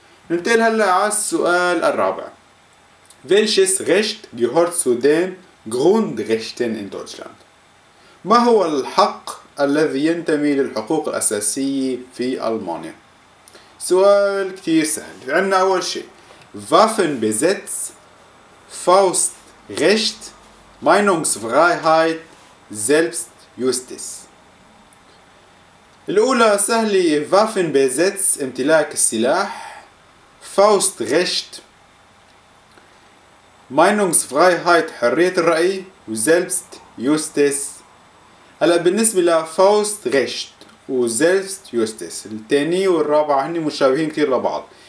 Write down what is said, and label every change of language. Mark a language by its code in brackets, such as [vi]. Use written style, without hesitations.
[ar] ننتقل هلا على السؤال الرابع. [de] Welches Recht gehört zu den Grundrechten in Deutschland؟ [ar] ما هو الحق الذي ينتمي للحقوق الاساسية في المانيا؟ سؤال كتير سهل. عندنا اول شيء Waffenbesitz، Faustrecht، Meinungsfreiheit، Selbstjustiz. الأولى سهلة، Waffenbesitz، امتلاك السلاح. Faustrecht، Meinungsfreiheit، حرية الرأي. و Selbstjustiz. هلا بالنسبة ل Faustrecht و Selbstjustiz، التانية والرابعة هني مشابهين كتير لبعض.